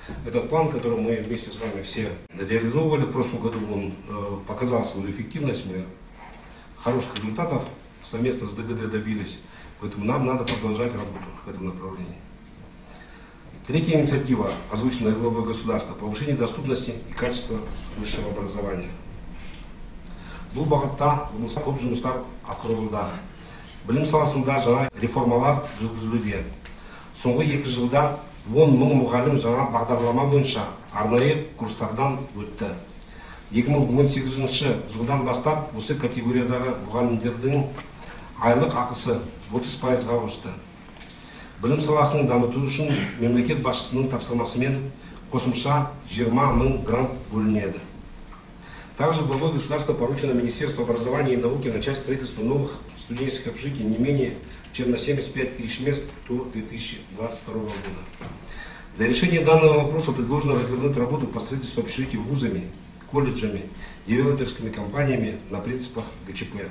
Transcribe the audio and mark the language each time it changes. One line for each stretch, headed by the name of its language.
Russian: Этот план, который мы вместе с вами все реализовывали в прошлом году, он показал свою эффективность, мы хороших результатов совместно с ДГД добились, поэтому нам надо продолжать работу в этом направлении. Третья инициатива, озвученная главой государства, повышение доступности и качества высшего образования. Булбагатта, Улмыстар, Кобжумыстар, Акрулда.
Kazakh: Білім саласында жаңа реформалар жүргізілуде. Соңғы 2 жылда 10 мың мұғалім жаңа бағдарлама бойынша арнайы курстардан өтті. 2018 жылдан бастап осы категориядағы мұғалімдердің айлық ақысы 30% өсті. Білім саласын дамыту үшін мемлекет басшысының тапсырмасымен қосымша 20 мың грант бөлінеді.
Russian: Также главой государства поручено Министерству образования и науки начать строительство новых студенческих общежитий не менее чем на 75 тысяч мест до 2022 года. Для решения данного вопроса предложено развернуть работу по строительству общежитий вузами, колледжами, девелоперскими компаниями на принципах ГЧП.